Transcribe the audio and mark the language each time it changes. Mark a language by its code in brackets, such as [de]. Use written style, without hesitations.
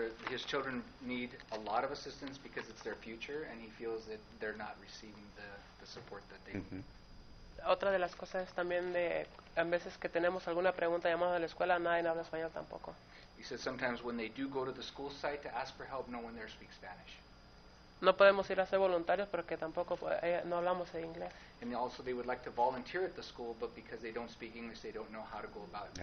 [en] His children need a lot of assistance because it's their future, and he feels that they're not receiving the support that they need. [es] Otra de las cosas también de a veces que tenemos alguna pregunta llamada a la escuela, nadie habla español tampoco. [en] He said sometimes when they do go to the school site to ask for help, no one there speaks Spanish. [es] No podemos ir a ser voluntarios porque tampoco no hablamos el inglés. [en] And also they would like to volunteer at the school, but because they don't speak English, they don't know how to go about it.